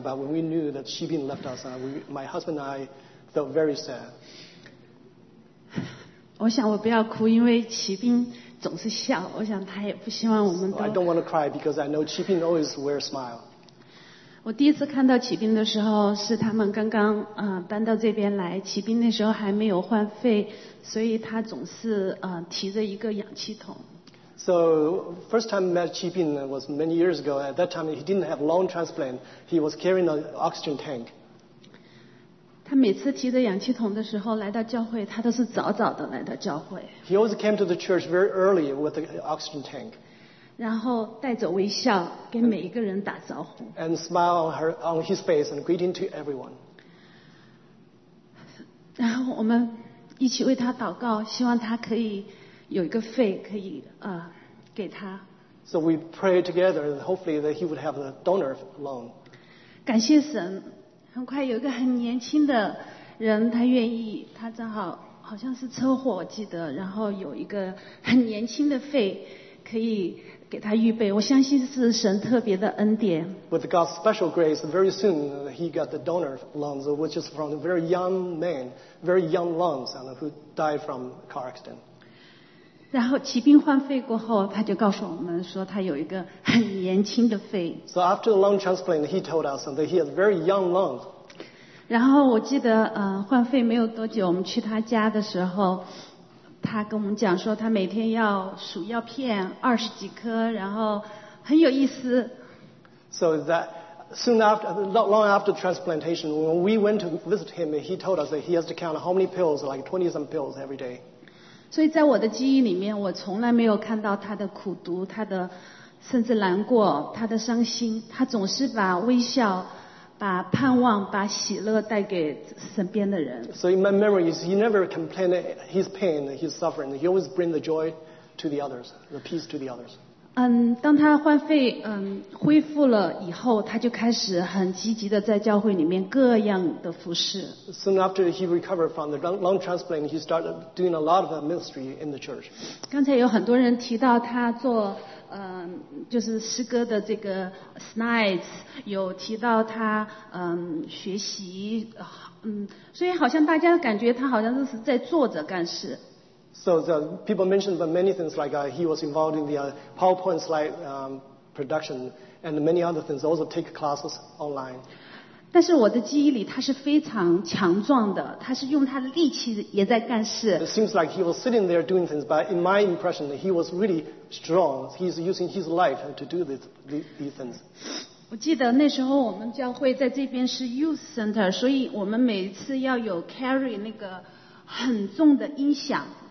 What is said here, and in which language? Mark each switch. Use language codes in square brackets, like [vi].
[en] But when we knew that Xi Bin left us, my husband and I felt very sad. [zh] 我想我不要哭，因为齐斌总是笑。我想他也不希望我们都。 [en] So、I don't want to cry because I know Xi Bin always wears a smile. [zh] 我第一次看到齐斌的时候是他们刚刚搬到这边来。齐斌那时候还没有患肺。所以他总是提着一个氧气筒。 [en] So first time I met Qi Bin was many years ago. At that time he didn't have lung transplant. He was carrying an oxygen tank. [zh] 他每次提着氧气筒的时候来到教会，他都是早早的来到教会。 [en] He always came to the church very early with an oxygen tank. [zh] 然后带着微笑给每一个人打招呼。 [en] And smile on his face and greeting to everyone. [zh] 然后我们。一起为他祷告，希望他可以有一个肺可以给他。 [en] So we pray together, hopefully that he would have a donor lung. [zh] 感谢神，很快有一个很年轻的人，他愿意，他正好好像是车祸，我记得，然后有一个很年轻的肺可以给他预备，我相信是神特别的恩典。 [en] With God's special grace, very soon he got the donor lungs, which is from a very young man, very young lungs, and who died from car accident. [zh] 然后骑兵换肺过后，他就告诉我们说他有一个很年轻的肺。 [en] So after the lung transplant, he told us that he has very young lungs. [zh] 然后我记得换肺没有多久，我们去他家的时候。他跟我们讲说他每天要数药片20几颗然后很有意思。 [en] So that soon after, not long after transplantation, when we went to visit him, he told us that he has to count how many pills, like 20 some pills every day. [zh] 所以在我的记忆里面我从来没有看到他的苦读他的甚至难过他的伤心他总是把微笑把盼望把喜乐带给身边的人。 [en] So in my memory, he never complained his pain, his suffering. He always bring the joy to the others, the peace to the others. [zh] 当他患肺恢复了以后，他就开始很积极的在教会里面各样的服事。 [en] Soon after he recovered from the lung transplant, he started doing a lot of ministry in the church. [zh] 刚才有很多人提到他做就是诗歌的这个 Snides 有提到他学习所以好像大家感觉他好像是在坐着干事。 [en] So the people mentioned about many things like he was involved in the PowerPoint slide production and many other things. Also take classes online. [zh] 但是我的记忆里他是非常强壮的，他是用他的力气也在干事。 [en] It seems like he was sitting there doing things, but in my impression, he was really strong. He's using his life to do these things. [zh] 我记得那时候我们教会在这边是 Youth Center, 所以我们每次要有 carry 那个很重的音响。